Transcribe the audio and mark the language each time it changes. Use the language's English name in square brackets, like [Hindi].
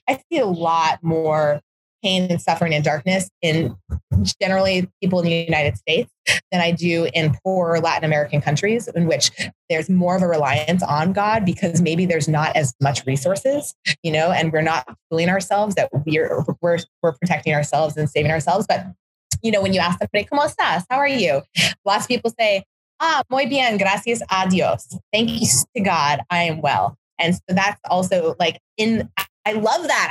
[English] I see a lot more pain and suffering and darkness in generally people in the United States than I do in poor Latin American countries, in which there's more of a reliance on God because maybe there's not as much resources, you know, and we're not fooling ourselves that we're protecting ourselves and saving ourselves. But, you know, when you ask somebody, [Spanish] ¿cómo estás? [English] How are you? Lots of people say, ah, [Spanish] muy bien, gracias a Dios. [English] Thank you to God, I am well. And so that's also like in, I love that.